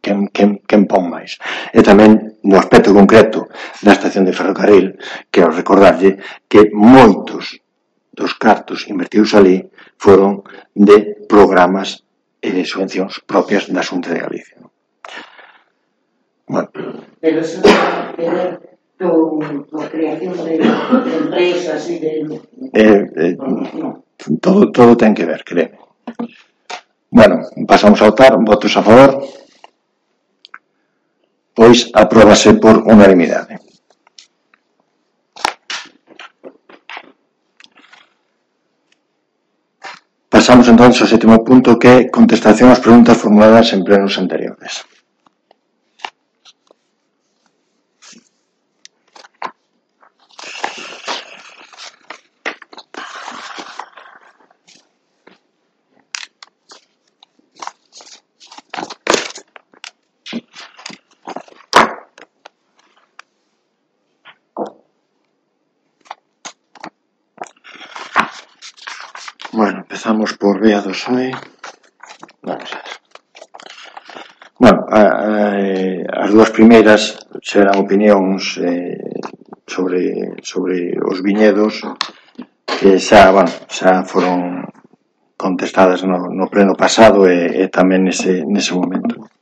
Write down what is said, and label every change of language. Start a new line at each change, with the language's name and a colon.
Galician: Quen pon máis? E tamén, no aspecto concreto da estación de ferrocarril, quero recordarlle que moitos dos cartos invertidos ali foron de programas e de subvencións propias da Xunta de Galicia.
Spanish: pero eso no va a tener tu creación de empresas y de...
Galician: Todo ten que ver, créeme. Bueno, pasamos a votar. ¿Votos a favor? Pois apróbase por unanimidade. Pasamos entonces ao séptimo punto, que é contestación ás preguntas formuladas en plenos anteriores. Empezamos por Bea do Soe. Bueno, as dúas primeiras serán opinións sobre os viñedos que xa foron contestadas no pleno pasado e tamén nese momento.